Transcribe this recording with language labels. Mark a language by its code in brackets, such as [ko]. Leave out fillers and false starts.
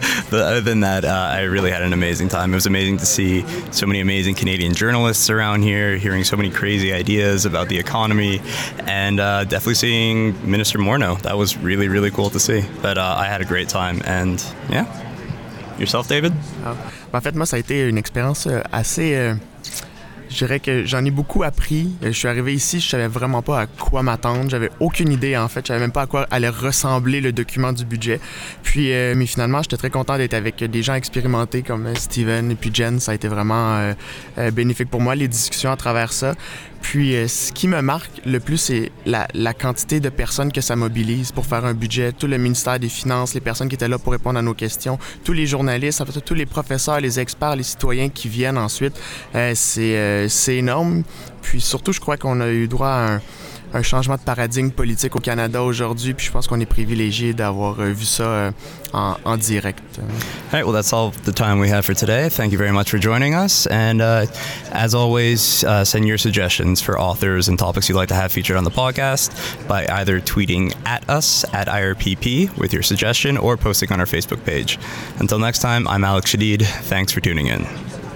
[en] But other than that, I really had an amazing time. It was amazing to see so many amazing Canadian journalists around here, hearing so many crazy ideas about the economy, and definitely seeing Minister Morneau. That was really, really cool to see. But I had a great time, and yeah. Yourself, David? [fr] En fait, moi, ça a été une expérience assez... Je dirais que j'en ai beaucoup appris. Je suis arrivé ici, je savais vraiment pas à quoi m'attendre. J'avais aucune idée, en fait. Je savais même pas à quoi allait ressembler le document du budget. Mais finalement, j'étais très content d'être avec des gens expérimentés comme Steven et puis Jen. Ça a été vraiment bénéfique pour moi, les discussions à travers ça. Puis ce qui me marque le plus, c'est la quantité de personnes que ça mobilise pour faire un budget. Tout le ministère des Finances, les personnes qui étaient là pour répondre à nos questions, tous les journalistes, en fait, tous les professeurs, les experts, les citoyens qui viennent ensuite, c'est énorme. Puis surtout, je crois qu'on a eu droit à un changement de paradigme politique au Canada aujourd'hui, puis je pense qu'on est privilégié d'avoir vu ça en direct. [en] All right, well, that's all the time we have for today. Thank you very much for joining us, and as always, send your suggestions for authors and topics you'd like to have featured on the podcast by either tweeting at us, at IRPP, with your suggestion, or posting on our Facebook page. Until next time, I'm Alex Shadid. Thanks for tuning in.